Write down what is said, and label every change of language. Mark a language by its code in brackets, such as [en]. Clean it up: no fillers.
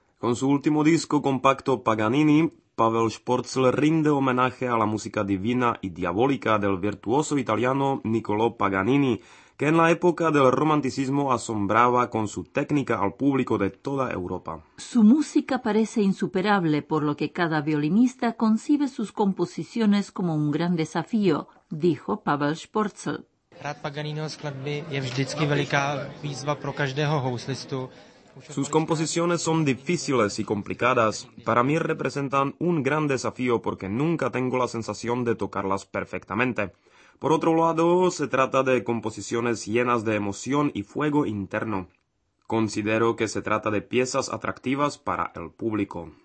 [es] Con su último disco compacto Paganini, Pavel Sporzl rinde homenaje a la música divina y diabólica del virtuoso italiano Niccolò Paganini, que en la época del romanticismo asombraba con su técnica al público de toda Europa. Su música parece insuperable, por lo que cada violinista concibe sus composiciones como un gran desafío, dijo Pavel Sporzl. [cs] Hrát Paganiniho skladby je vždycky veliká výzva pro každého houslistu. [es] Sus composiciones son difíciles y complicadas. Para mí representan un gran desafío porque nunca tengo la sensación de tocarlas perfectamente. Por otro lado, se trata de composiciones llenas de emoción y fuego interno. Considero que se trata de piezas atractivas para el público.